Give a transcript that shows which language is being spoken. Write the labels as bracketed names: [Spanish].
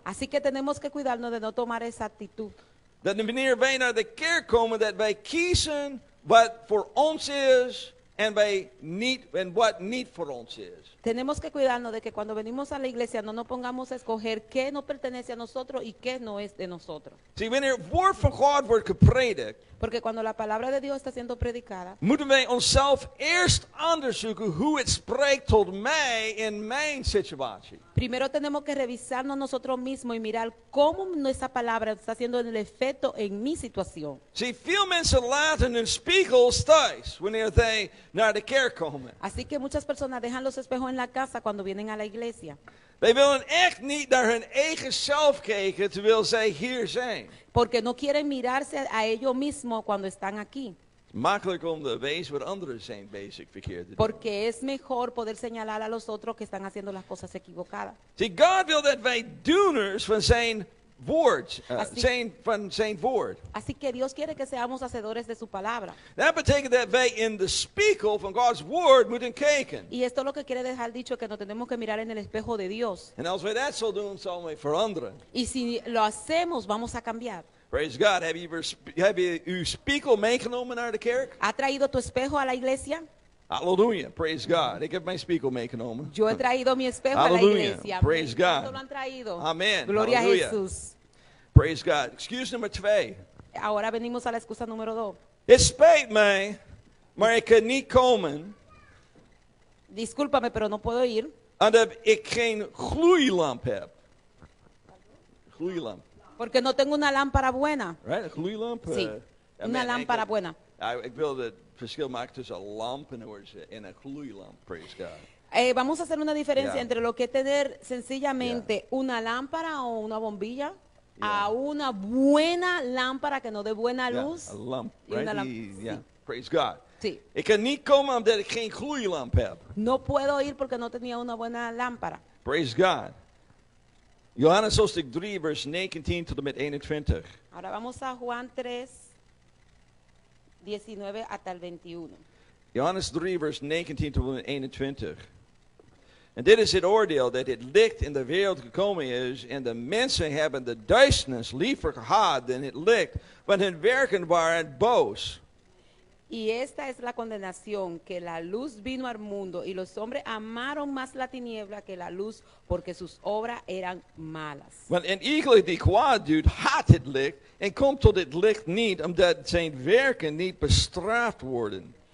[Spanish] Así que tenemos que cuidarnos de no tomar esa actitud. [Dutch] Dat wanneer wij naar de kerk komen, dat wij kiezen wat voor ons is en wij niet en wat niet voor ons is. [Spanish] Tenemos que cuidarnos de que cuando venimos a la iglesia no nos pongamos a escoger qué no pertenece a nosotros y qué no es de nosotros. [Dutch] See, wanneer woord van God wordt gepredikt, [Spanish] porque cuando la palabra de Dios está siendo predicada, [Dutch] moeten wij onszelf eerst onderzoeken hoe het spreekt tot mij in mijn situatie. [Spanish] Primero tenemos que revisarnos nosotros mismos y mirar cómo esa palabra está haciendo el efecto en mi situación. [Dutch] See, veel mensen laten hun spiegels thuis wanneer zij naar de kerk komen. [Spanish] Así que muchas personas dejan los espejos en la casa cuando vienen a la iglesia. [Dutch] Zij willen echt niet naar hun eigen zelf kijken terwijl zij hier zijn. [Spanish] Porque no quieren mirarse a ellos mismos cuando están aquí. [Dutch] Makkelijk om te wezen wat anderen zijn bezig verkeerd te doen. [Spanish] Porque es mejor poder señalar a los otros que están haciendo las cosas equivocadas. [Dutch] See, God wil dat wij doeners van zijn woord, zijn woord. [Spanish] Así que Dios quiere que seamos hacedores de su palabra. [Dutch] That betekent dat wij in de spiegel van God's woord moeten kijken. [Spanish] Y esto es lo que quiere dejar dicho, que nos tenemos que mirar en el espejo de Dios. [Dutch] And als wij dat zullen doen, zullen wij veranderen. [Spanish] Y si lo hacemos, vamos a cambiar. [English] Praise God, have you [Dutch] spiegel meegenomen naar de kerk? [Spanish] ¿Ha traído tu espejo a la iglesia? [English] Hallelujah, praise God. [Dutch] Ik heb mijn spiegel meegenomen. [Spanish] Yo he traído mi espejo [English] Hallelujah. [Spanish] A la iglesia. [English] Praise God. [Spanish] Lo han traído. [English] Amen. [Spanish] Gloria [English] Hallelujah. [Spanish] A Jesús. [English] Praise God. Excuse number two. [Spanish] Ahora venimos a la excusa número dos. [English] It spake me, [Dutch] maar ik kan niet komen. [Spanish] Discúlpame, pero no puedo ir. [Dutch] Omdat ik geen gloeilamp heb. Gloeilamp. [Spanish] Porque no tengo una lámpara buena. [English] Right, gloeilamp. [Spanish] Sí, una lámpara buena. [Dutch] Ik wil het verschil maken tussen een lamp en een gloeilamp. [English] Praise God. [Spanish] Vamos a hacer una diferencia entre lo que es tener sencillamente una lámpara o una bombilla a una buena lámpara que nos dé buena luz. [English] A lamp, right? Praise God. [Spanish] Sí. [Dutch] Ik kan niet komen omdat ik geen gloeilamp heb. [Spanish] No puedo ir porque no tenía una buena lámpara. [English] Praise God. [Dutch] Johannes hoofdstuk 3, vers 19 tot en met 21. Ahora vamos a Juan 3, 19 hasta el 21. Johannes 3, vers 19 tot en met 21. En dit is het oordeel dat het licht in de wereld gekomen is. En de mensen hebben de duisternis liever gehad dan het licht. Want hun werken waren boos. [Spanish] Y esta es la condenación, que la luz vino al mundo y los hombres amaron más la tiniebla que la luz porque sus obras eran malas. [Dutch] Want een ijgel die kwaad doet, haat het licht en komt tot het licht niet, omdat zijn werken niet bestraft worden.